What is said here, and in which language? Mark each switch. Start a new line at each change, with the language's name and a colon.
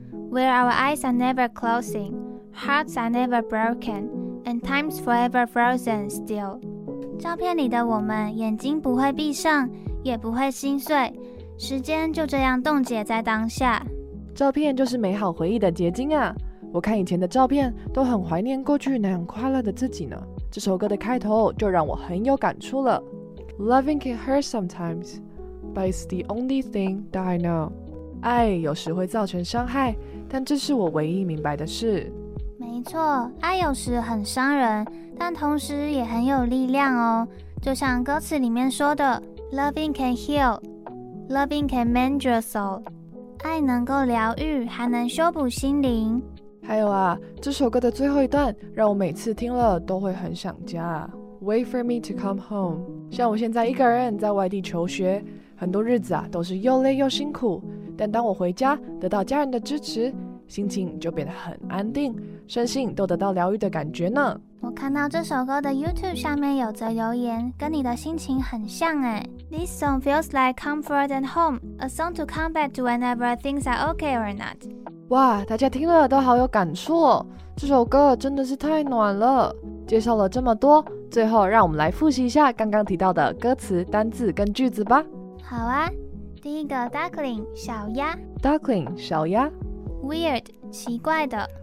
English: Where our eyes are never closing, hearts are never broken, and time's forever frozen still.
Chinese: 照片里的我们，眼睛不会闭上，也不会心碎，时间就这样冻结在当下。照片就是美好回忆的结晶啊。我看以前的照片都很怀念过去那样快乐的自己呢。这首歌的开头就让我很有感触了。
English: Loving can hurt sometimes, but it's the only thing that I know.
Chinese: 爱有时会造成伤害，但这是我唯一明白的事。没错，爱有时很伤人，但同时也很有力量哦。就像歌词里面说的，
English: Loving can heal, Loving can mend your soul.
Chinese: 爱能够疗愈，还能修补心灵。还有啊，这首歌的最后一段让我每次听了都会很想家。
English: Wait for me to come home。
Chinese: 像我现在一个人在外地求学，很多日子啊都是又累又辛苦。但当我回家，得到家人的支持，心情就变得很安定，身心都得到疗愈的感觉呢。我看到这首歌的 YouTube 上面有则留言，跟你的心情很像哎。
English: This song feels like comfort and home, a song to come back to whenever things are okay or not。
Chinese: 哇，大家听了都好有感触哦，这首歌真的是太暖了。介绍了这么多，最后让我们来复习一下刚刚提到的歌词、单字跟句子吧。好啊，第一个 duckling 小鸭，duckling 小鸭，weird 奇怪的